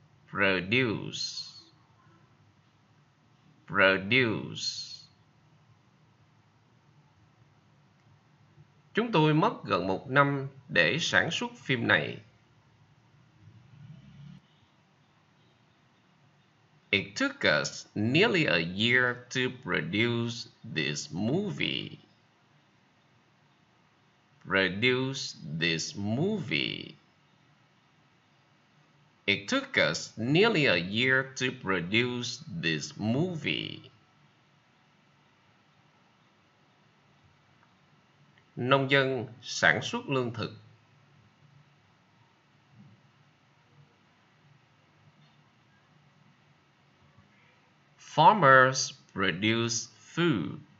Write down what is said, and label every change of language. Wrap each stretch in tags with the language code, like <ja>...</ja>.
<en>Produce. Produce.</en> <vi>Chúng tôi mất gần một năm để sản xuất phim này.</vi> <en>It took us nearly a year to produce this movie. Produce this movie. It took us nearly a year to produce this movie.</en> <vi>Nông dân sản xuất lương thực.</vi> <en>Farmers produce food.</en>